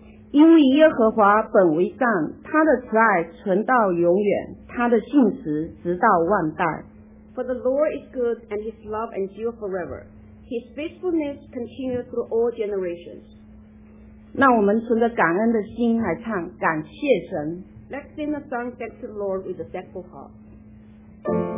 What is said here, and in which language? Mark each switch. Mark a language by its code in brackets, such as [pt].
[zh] 因为耶和华本为善，他的慈爱存到永远，他的信实直到万代。 [en] For the Lord is good and his love endures forever. His faithfulness continues through all generations. [zh] 那我们存着感恩的心来唱感谢神。 [en] Let's sing a song thanks to the Lord with a thankful heart.